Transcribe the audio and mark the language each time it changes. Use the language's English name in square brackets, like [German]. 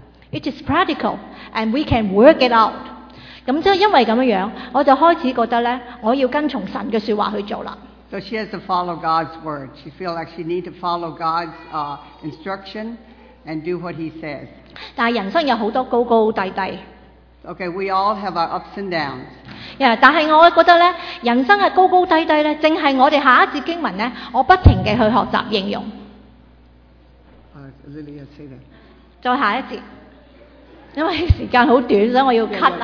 [English] It is practical, and we can work it out. [Cantonese] 咁即係因為咁樣，我就開始覺得咧，我要跟從神嘅説話去做啦。 [English] So she has to follow God's word. She feels like she needs to follow God's instruction and do what He says. [Cantonese] 但人生有很多高高低低。 [English] Okay, we all have our ups and downs. [Cantonese] Yeah, 但是我覺得咧，人生嘅高高低低咧，正係我哋下一節經文咧，我不停嘅去學習應用。 [English] Lily, say that. [Cantonese] 再下一節。因為時間很短，所以我要 cut